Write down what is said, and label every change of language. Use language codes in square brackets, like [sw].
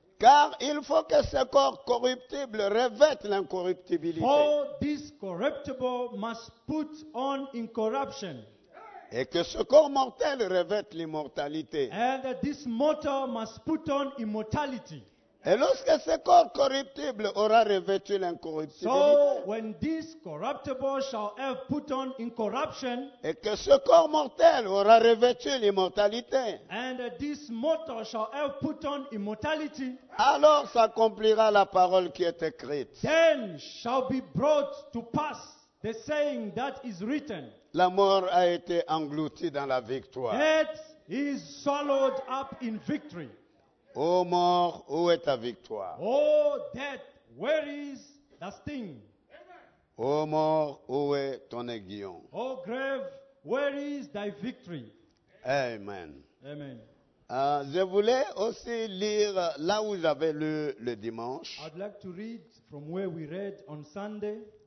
[fr] Car il faut que ce corps corruptible revête l'incorruptibilité. [en] For this corruptible must put on incorruption. [fr] Et que ce corps mortel revête l'immortalité. [en] And this mortal must put on immortality. [fr] Et lorsque ce corps corruptible aura revêtu l'incorruptibilité. [en] So when this corruptible shall have put on incorruption. [fr] Et que ce corps mortel aura revêtu l'immortalité. [en] And this mortal shall have put on immortality. [fr] Alors s'accomplira la parole qui est écrite. [en] Then shall be brought to pass the saying that is written. [fr] La mort a été engloutie dans la victoire. [en] Death is swallowed up in victory. [fr] Ô mort, où est ta victoire? [en] O death, where is the sting? [fr] Ô mort, où est ton aiguillon? [en] O grave, Where is thy victory? [fr] Amen. [en] Amen. [fr] Je voulais aussi lire là où j'avais lu le dimanche. [en] I'd like to read from where we read on Sunday.